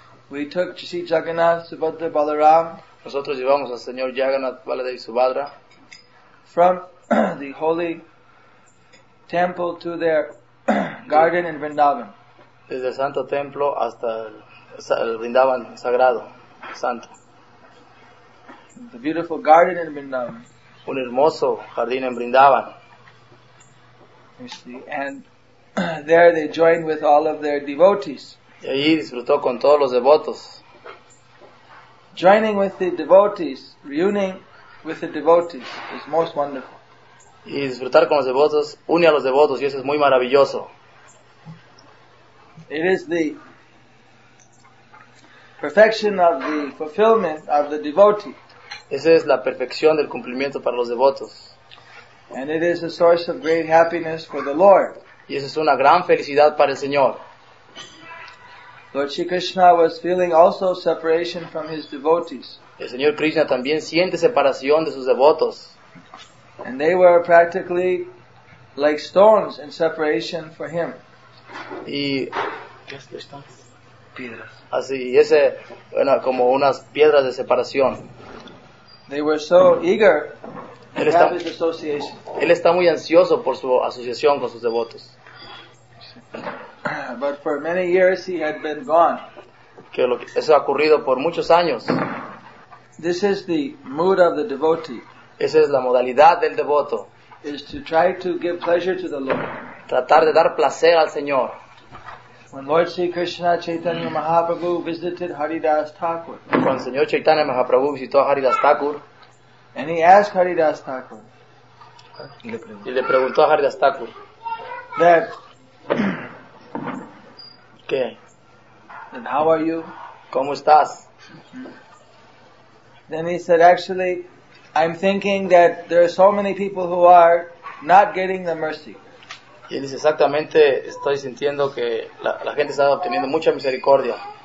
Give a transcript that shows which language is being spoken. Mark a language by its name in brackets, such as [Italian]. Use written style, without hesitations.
[English] We took Shri Jagannath Subhadra Balaram. [Spanish] Nosotros llevamos al señor Jagannath Baladev Subhadra [English] from the holy temple to their garden in Vrindavan. [Spanish] Desde el santo templo hasta el Vrindavan sagrado, santo. [English] The beautiful garden in Vrindavan. [Spanish] Un hermoso jardín en Vrindavan. [English] And there they joined with all of their devotees. [Spanish] Y allí disfrutó con todos los devotos. [English] Joining with the devotees, reuniting with the devotees is most wonderful. [Spanish] Y disfrutar con los devotos, une a los devotos y eso es muy maravilloso. [English] It is the perfection of the fulfillment of the devotee. [Spanish] Esa es la perfección del cumplimiento para los devotos. [English] And it is a source of great happiness for the Lord. [Spanish] Y eso es una gran felicidad para el Señor. [English] Lord Shri Krishna was feeling also separation from his devotees. [Spanish] El Señor Krishna también siente separación de sus devotos. [English] And they were practically like stones in separation for him. [Spanish] Y piedras. Así, ese bueno, como unas piedras de separación. [English] They were so eager to have his association. [Spanish] Él está muy ansioso por su asociación con sus devotos. [English] But for many years he had been gone. [Spanish] Que lo que, eso ha ocurrido por muchos años. [English] This is the mood of the devotee. [Spanish] Esa es la modalidad del devoto. [English] Is to try to give pleasure to the Lord. [Spanish] Tratar de dar placer al Señor. [English] When Lord Sri Krishna Chaitanya Mahaprabhu visited Haridas Thakur. [Spanish] Cuando Señor Chaitanya Mahaprabhu visitó a Haridas Thakur. [English] And he asked Haridas Thakur. [Spanish] Y le preguntó a Haridas Thakur. [English] That. [Spanish] ¿Qué? [English] And how are you? [Spanish] ¿Cómo estás? [English] Then he said, actually, I'm thinking that there are so many people who are not getting the mercy. [Spanish] Y él dice, exactamente, estoy sintiendo que la gente está obteniendo mucha misericordia.